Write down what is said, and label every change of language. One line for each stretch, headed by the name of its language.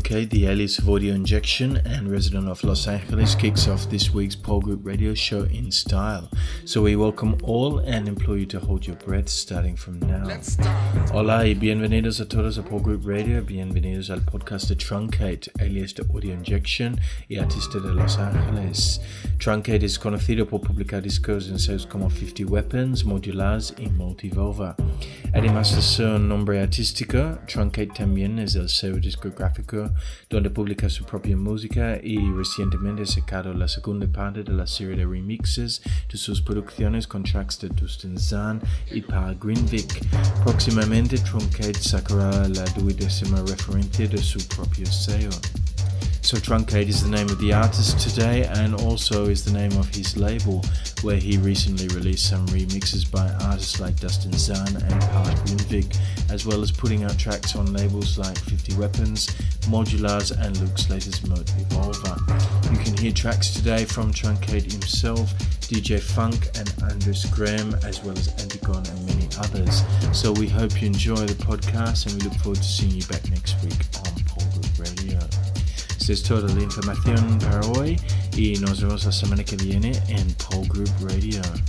English: The alias of Audio Injection and resident of Los Angeles kicks off this week's Pole Group Radio Show in style. So we welcome all and implore you to hold your breath starting from now.
Spanish: Hola y bienvenidos a todos a Pole Group Radio. Bienvenidos al podcast de Truncate, alias de Audio Injection y artista de Los Angeles. Truncate es conocido por publicar discos en sellos como 50 Weapons, Modulars y Multivolva. Además de su nombre artístico, Truncate también es el sello discográfico donde publica su propia música y recientemente ha sacado la segunda parte de la serie de remixes de sus producciones con tracks de Dustin Zahn y Paul Greenvick. Próximamente Truncate sacará la duodécima referencia de su propio sello.
English: So Truncate is the name of the artist today and also is the name of his label, where he recently released some remixes by artists like Dustin Zahn and Paul Greenvick, as well as putting out tracks on labels like 50 Weapons, Modulars and Luke Slater's Motivolva. You can hear tracks today from Truncate himself, DJ Funk and Andres Graham, as well as Antigone and many others. So we hope you enjoy the podcast and we look forward to seeing you back next week on Pole Group Radio.
Spanish: Esta es toda la información para hoy y nos vemos la semana que viene en Pole Group Radio.